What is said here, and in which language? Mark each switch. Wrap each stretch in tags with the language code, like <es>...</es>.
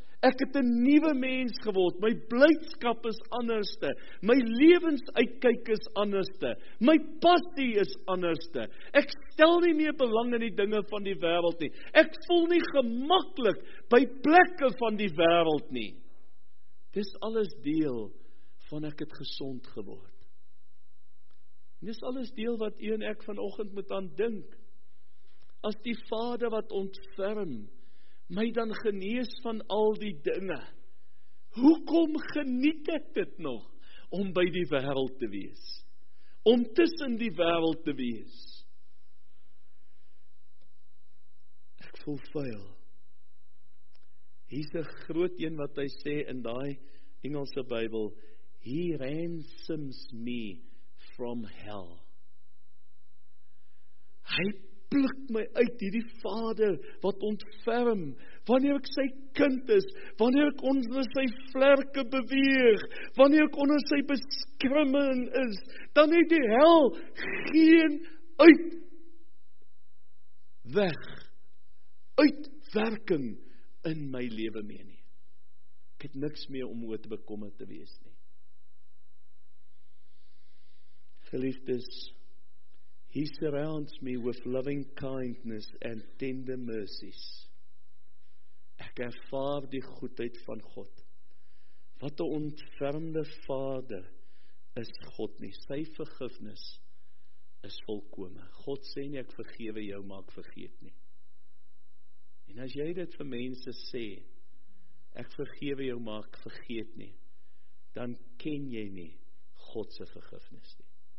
<af>Ek het 'n nuwe mens geword, my blydskap is anderste, my lewensuitkyk is anderste, my passie is anderste, ek stel nie meer belang in die dinge van die wêreld nie, ek voel nie gemaklik by plekke van die wêreld nie. Dis alles deel van ek het gesond geword. Dis alles deel wat u en ek vanoggend moet aan dink. As die Vader wat ontferm my dan genees van al die dinge, hoekom geniet ek dit nog om by die wêreld te wees, om tussen die wêreld te wees? Ek voel vuil. Hier is een groot een wat hy sê in die Engelse Bybel,</af> <en>he ransoms me from hell.</en> <af>Hy pluk my uit, hierdie Vader wat ontferm, wanneer ek sy kind is, wanneer ek onder sy vlerke beweeg, wanneer ek onder sy beskerming is, dan het die hel geen uit weg, uitwerking in my lewe mee nie. Ek het niks meer om oor te bekommer te wees nie. Geliefdes,</af> <en>He surrounds me with loving kindness and tender mercies.</en> <af>Ek ervaar die goedheid van God. Wat 'n ontfermde Vader is God nie. Sy vergifnis is volkome. God sê nie, ek vergewe jou, maar ek vergeet nie. En as jy dit vir mense sê, ek vergewe jou, maar ek vergeet nie, dan ken jy nie God se vergifnis nie.</af>